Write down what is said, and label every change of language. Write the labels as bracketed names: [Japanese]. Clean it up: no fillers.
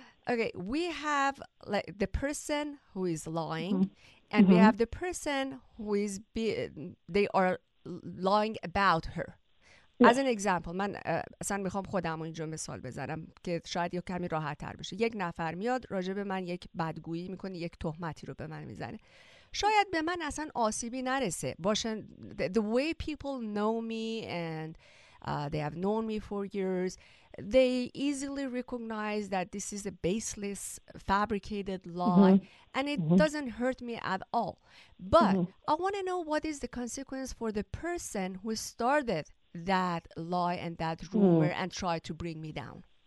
[English] Okay, we have like the person who is lying and we have the person who is lying about her. Yeah. As an example, [Persian] من اصلا میخوام خودم اینجا مثال بزنم که شاید یک کمی راحت تر بشه. یک نفر میاد راجع به من یک بدگویی میکنه، یک تهمتی رو به من میزنه. شاید به من اصلا آسیبی نرسه. [English] The way people know me and they have known me for years, they easily recognize that this is a baseless, fabricated lie, and it doesn't hurt me at all. But I want to know what is the consequence for the person who started that lie and that rumor and tried to bring me down.